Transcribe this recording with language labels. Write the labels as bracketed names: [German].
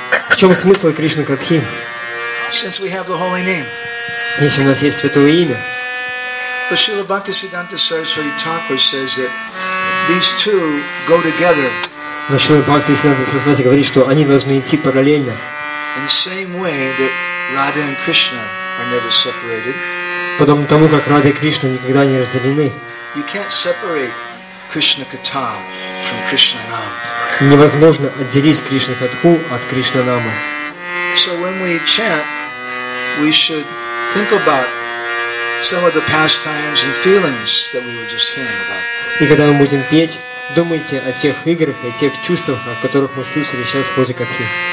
[Russian] В чем смысл Кришны Катхи? [English] Since we have the holy name. [Russian] Если у нас есть святое имя. [English] Srila Bhaktisiddhanta Saraswati Thakur says that these two go together. [Russian] Но Srila Bhaktisiddhanta Saraswati говорит, что они должны идти параллельно. [English] In the same way that Radha and Krishna are never separated. [Russian] Подобно тому, как Радха и Кришна никогда не разделены. [English] You can't separate Krishna Katha from Krishna Nam. [Russian] Невозможно отделить Кришна Катху от Кришна Намы. [English] So when we chant, we should think about some of the pastimes and feelings that we were just hearing about. [Russian] И когда мы будем петь, думайте о тех играх и тех чувствах, о которых мы слышали сейчас в ходе Катхи.